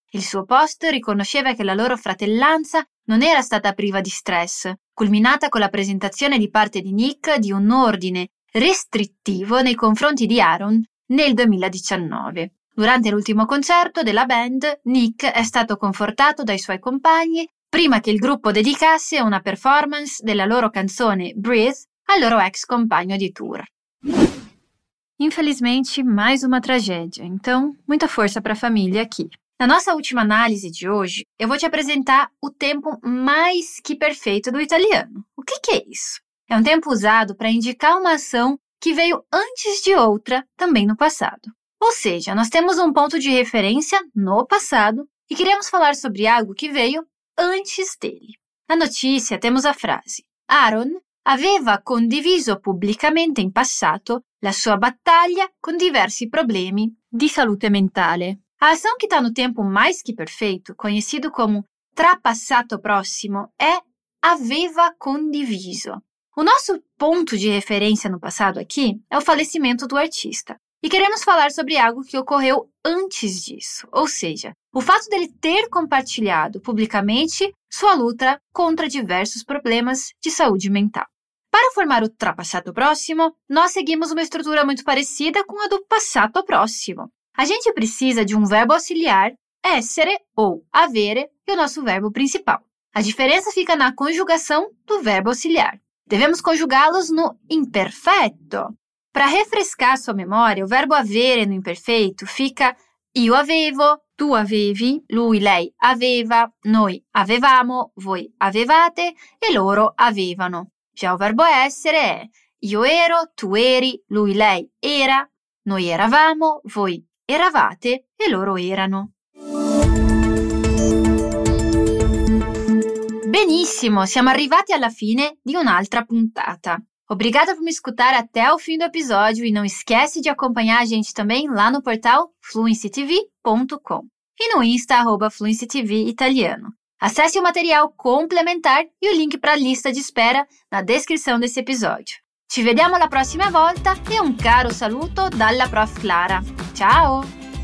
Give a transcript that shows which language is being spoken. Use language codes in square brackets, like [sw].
[it] Il suo post riconosceva che la loro fratellanza non era stata priva di stress, culminata con la presentazione di parte di Nick di un ordine restrittivo nei confronti di Aaron nel 2019. Durante l'ultimo concerto della band, Nick è stato confortato dai suoi compagni prima che il gruppo dedicasse una performance della loro canzone Breathe al loro ex compagno di tour. [pt] Infelizmente, mais uma tragédia, então muita força para a família aqui. Na nossa última análise de hoje, eu vou te apresentar o tempo mais que perfeito do italiano. O que que é isso? É um tempo usado para indicar uma ação que veio antes de outra, também no passado. Ou seja, nós temos um ponto de referência no passado e queremos falar sobre algo que veio antes dele. Na notícia, temos a frase: [it] Aaron aveva condiviso pubblicamente in passato la sua battaglia con diversi problemi di salute mentale. [pt] A ação que está no tempo mais que perfeito, conhecido como trapassato prossimo, é aveva condiviso. O nosso ponto de referência no passado aqui é o falecimento do artista. E queremos falar sobre algo que ocorreu antes disso, ou seja, o fato dele ter compartilhado publicamente sua luta contra diversos problemas de saúde mental. Para formar o trapassato prossimo, nós seguimos uma estrutura muito parecida com a do passato próximo. A gente precisa de um verbo auxiliar, essere ou avere, e o nosso verbo principal. A diferença fica na conjugação do verbo auxiliar. Devemos conjugá-los no imperfeito. Para refrescar sua memória, o verbo avere no imperfeito fica [it] io avevo, tu avevi, lui, lei, aveva, noi, avevamo, voi, avevate e loro, avevano. [pt] Già o verbo essere è [it] io ero, tu eri, lui, lei, era, noi eravamo, voi, eravate e loro, erano. Benissimo, siamo arrivati alla fine di un'altra puntata. [pt] Obrigada por me escutar até o fim do episódio e não esquece de acompanhar a gente também lá no portal fluencytv.com e no Insta, @fluencytvitaliano. Acesse o material complementar e o link para a lista de espera na descrição desse episódio. [it] Ci vediamo la prossima volta e un caro saluto dalla Prof. Clara. Ciao!